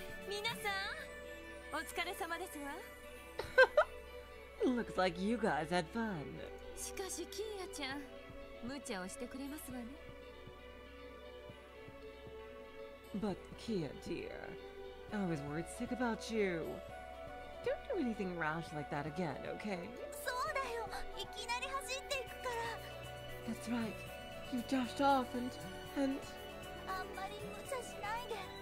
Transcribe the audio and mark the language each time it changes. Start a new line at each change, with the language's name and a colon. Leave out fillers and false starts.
Japanese: Minasan, otsukare sama desu wa.
English: Looks like you guys had fun.
Japanese: Shikashi Kiya-chan. 無茶をしてくれますわね。
English: But Kia, dear, I was worried sick about you. Don't do anything rash like that again, okay?
Japanese: そうだよ。いきなり走っていくから。
English: That's right. You dashed off and.
Japanese: あんまり無茶しないで。